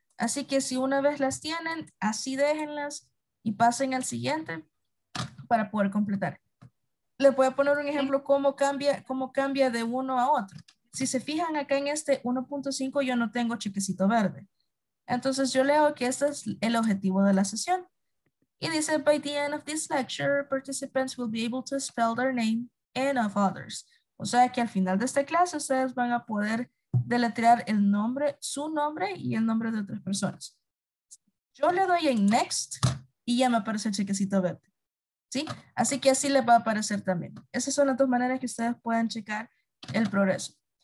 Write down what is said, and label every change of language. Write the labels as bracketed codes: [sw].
[es] Así que si una vez las tienen, así déjenlas y pasen al siguiente para poder completar. Le voy a poner un ejemplo cómo cambia de uno a otro. Si se fijan acá en este 1.5, yo no tengo chequecito verde. Entonces yo leo que este es el objetivo de la sesión. Y dice, [en] by the end of this lecture, participants will be able to spell their name and of others. [es] O sea que al final de esta clase ustedes van a poder deletrear el nombre, su nombre y el nombre de otras personas. Yo le doy en next y ya me aparece el chequecito verde. ¿Sí? Así que así les va a aparecer también. Esas son las dos maneras que ustedes pueden checar el progreso.